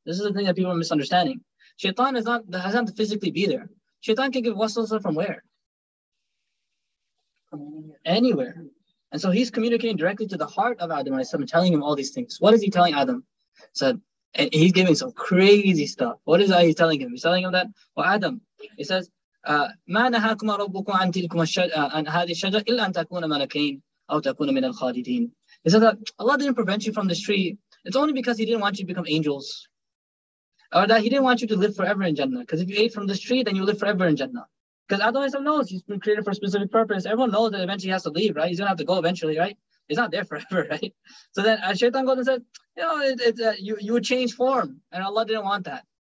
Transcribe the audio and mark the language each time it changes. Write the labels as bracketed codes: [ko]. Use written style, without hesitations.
[en] This is the thing that people are misunderstanding. Shaitan hasn't to physically be there. Shaitan can give waswasa from where? Anywhere. And so he's communicating directly to the heart of Adam alayhi salam, telling him all these things. What is he telling Adam? Said, and he's giving some crazy stuff. What is that he's telling him? He's telling him that, well, Adam, he says, [ar] ما نهاكما ربكم عن تلكما عن هذه الشجرة إلا أن تكونا ملكين أو تكونا من الخالدين. [en] He said that Allah didn't prevent you from this tree. It's only because He didn't want you to become angels. or that he didn't want you to live forever in Jannah. Because if you ate from this tree, then you live forever in Jannah. Because otherwise, Allah knows he's been created for a specific purpose. Everyone knows that eventually he has to leave, right? He's going to have to go eventually, right? He's not there forever, right? So then Shaitan goes and said, you know, you would change form. And Allah didn't want that.